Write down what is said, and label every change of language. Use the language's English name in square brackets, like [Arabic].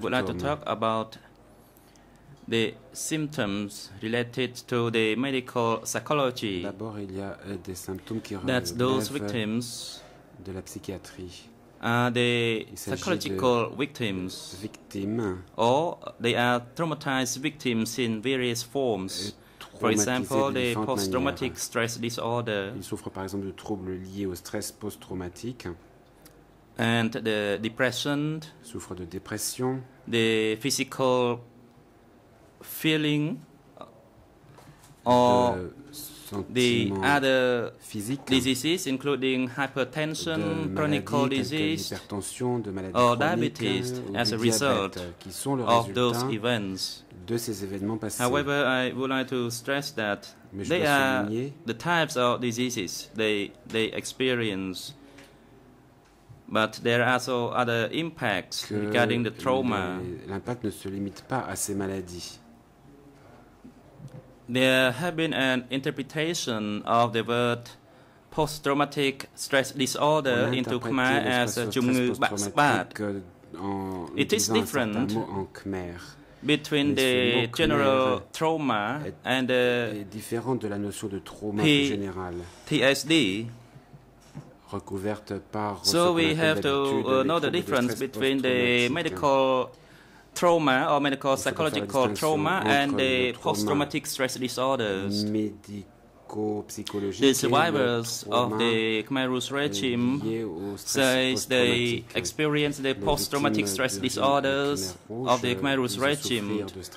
[English] I would like to talk about the symptoms related to the medical psychology. [French] D'abord, il y a des symptômes qui relèvent [English] those victims [French] de la psychiatrie. [English] Victims, or they are traumatized victims in various forms. For example, the post-traumatic stress disorder. [French] Ils souffrent par exemple de troubles liés au stress post-traumatique. [English] And the depression. [French] Souffrent de dépression. [English] The physical feeling, or the other [French] physique, [English] diseases, including hypertension, chronic disease, or diabetes, as a result of those events. [French] De ces événements passés. [English] However, I would like to stress that they are the types of diseases they experience, but there are also other impacts regarding the trauma. [French] L'impact ne se limite pas à ces maladies. [English] There has been an interpretation of the word post-traumatic stress disorder into Khmer as Jumngu Bakspat. It is different between the general trauma and the [French] différent de la notion de trauma plus général. [English] PTSD. [French] Recouverte par [English] so we have to know the difference between the medical trauma or medical psychological trauma and the post-traumatic stress disorders. The survivors of the Khmer Rouge regime say they experience the post-traumatic stress disorders of the Khmer Rouge regime.